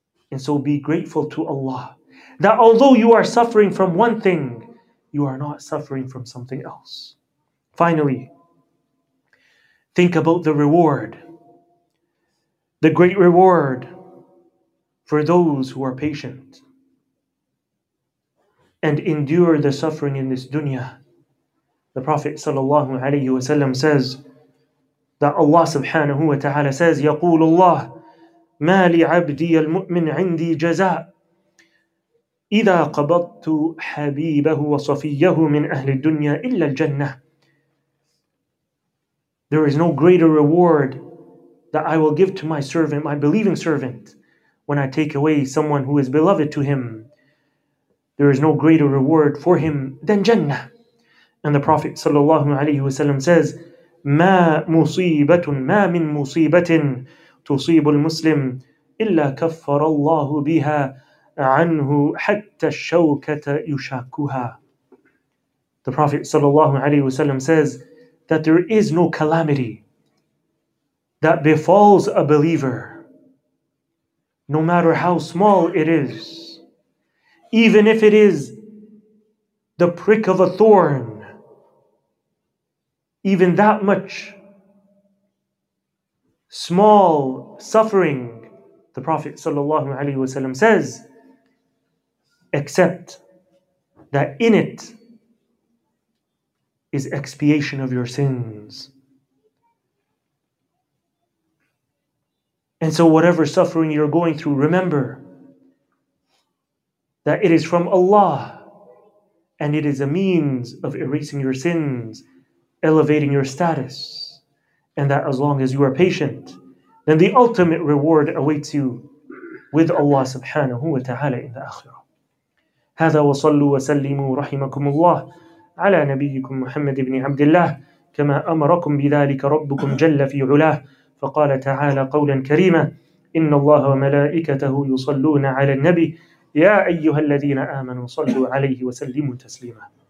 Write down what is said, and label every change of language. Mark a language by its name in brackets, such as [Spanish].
[English] And so be grateful to Allah that although you are suffering from one thing, you are not suffering from something else. Finally, think about the reward, the great reward for those who are patient and endure the suffering in this dunya. The Prophet sallallahu alaihi wasallam says that Allah subhanahu wa ta'ala says, [Arabic] يقول الله ما لعبدي المؤمن عندي جزاء إذا قبضت حبيبه وصفيه من أهل الدنيا إلا الجنة. [English] There is no greater reward that I will give to my servant, my believing servant, when I take away someone who is beloved to him. There is no greater reward for him than Jannah. And the Prophet sallallahu alaihi wasallam says, [Arabic] ما مصيبة ما من مصيبة تصيب المسلم إلا كفر الله بها عنه حتى الشوكة يشاكها. [English] The Prophet sallallahu alaihi wasallam says that there is no calamity that befalls a believer, no matter how small it is, even if it is the prick of a thorn, even that much small suffering, the Prophet sallallahu alaihi wasallam says, except that in it is expiation of your sins. And so whatever suffering you're going through, remember that it is from Allah and it is a means of erasing your sins, elevating your status, and that as long as you are patient, then the ultimate reward awaits you with Allah subhanahu wa ta'ala in the akhirah. [Arabic] هذا وصلوا وسلموا رحمكم الله على نبيكم محمد بن عبد الله كما أمركم بذلك ربكم جل في علاه فقال تعالى قولا كريما إن الله وملائكته يصلون على النبي يا أيها الذين آمنوا صلوا عليه وسلموا تسليما.